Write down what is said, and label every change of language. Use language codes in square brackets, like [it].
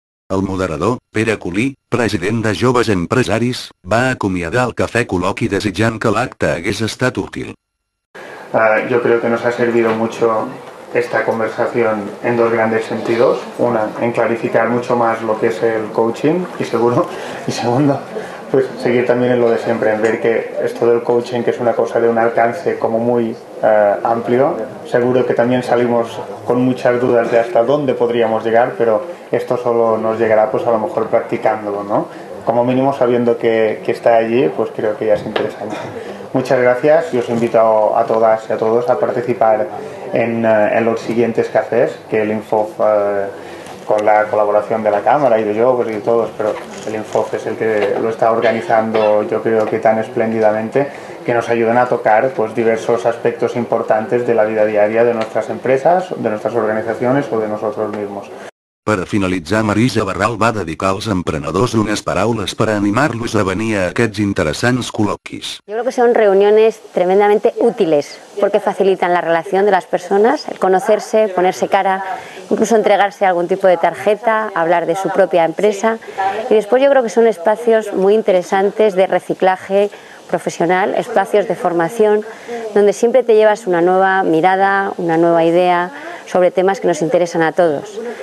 [ca] El moderador, Pere Colí, president de Joves Empresaris, va acomiadar el cafè col·loqui desitjant que l'acte hagués estat útil. [es] Yo creo que nos ha servido mucho esta conversación en 2 grandes sentidos. Una, en clarificar mucho más lo que es el coaching, y segundo, pues seguir también en lo de siempre, en ver que esto del coaching, que es una cosa de un alcance como muy amplio, seguro que también salimos con muchas dudas de hasta dónde podríamos llegar, pero esto solo nos llegará pues a lo mejor practicándolo, ¿no? Como mínimo sabiendo que está allí, pues creo que ya es interesante. Muchas gracias y os invito a todas y a todos a participar en los siguientes cafés, que el InfoF, con la colaboración de la Cámara y de yo, pues y de todos, pero el InfoF es el que lo está organizando, yo creo que tan espléndidamente, que nos ayudan a tocar pues, diversos aspectos importantes de la vida diaria de nuestras empresas, de nuestras organizaciones o de nosotros mismos. [ca] Per finalitzar, Marisa Barral va dedicar als emprenedors unes paraules per animar-los a venir a aquests interessants col·loquis. [es] Yo creo que son reuniones tremendamente útiles porque facilitan la relación de las personas, el conocerse, ponerse cara, incluso entregarse algún tipo de tarjeta, hablar de su propia empresa. Y después yo creo que son espacios muy interesantes de reciclaje profesional, espacios de formación, donde siempre te llevas una nueva mirada, una nueva idea sobre temas que nos interesan a todos.